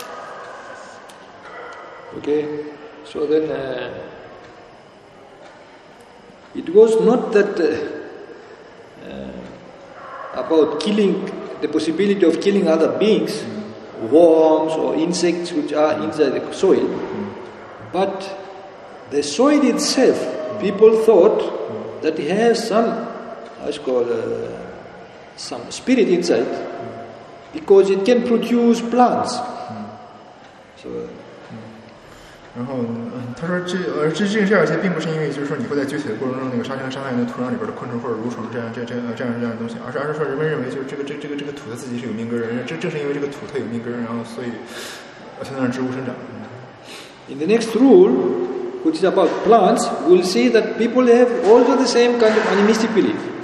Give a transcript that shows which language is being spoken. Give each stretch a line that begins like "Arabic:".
Chinese: 他说那个，他说佛陀是这个真相信，他说因为印度很多人都是那种万物有灵论者，然后万物有灵论者，他就是因为土地这种东西，他也是有命根，然后佛陀其实自己佛陀有事儿，就是在经里边说过，就是愚人，愚，土有命相，这样，然后说的也是这种情况。Okay,
English: so then. It was not that about killing, the possibility of killing other beings, worms or insects which are inside the soil, but the soil itself, people thought that it has some, I call some spirit inside, because it can produce plants. So,
Chinese: 然后他说这事儿，并不是因为就是说你会在崛起的过程中那个杀生伤害那土壤里边的昆虫或者蠕虫这样东西，而是说人们认为就这个土它自己是有命根，正是因为这个土它有命根，然后所以才能让植物生长。In
English: the next rule, which is about plants, we'll see that people have also the same kind of animistic belief.